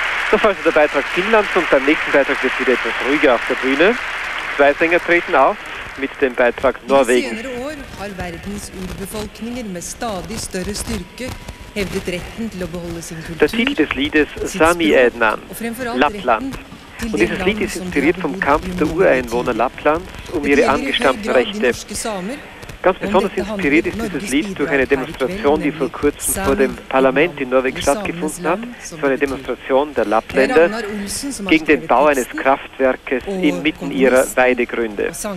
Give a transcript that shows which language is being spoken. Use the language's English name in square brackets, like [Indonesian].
[German] Das war also der Beitrag Finnlands und beim nächsten Beitrag wird wieder etwas ruhiger auf der Bühne. Zwei Sänger treten auf mit dem Beitrag Norwegen. [Norwegian] I senere år har verdens urbefolkninger med stadig større styrke hevdet retten til å beholde sin kultur. [German] Der Titel des Liedes Sami Ednan, Lappland. Und dieses Lied ist inspiriert vom Kampf der Ureinwohner Lapplands um ihre angestammten Rechte. Ganz besonders inspiriert ist dieses Lied durch eine Demonstration, die vor kurzem vor dem Parlament in Norwegen stattgefunden hat, für eine Demonstration der Lappländer gegen den Bau eines Kraftwerkes inmitten ihrer Weidegründe.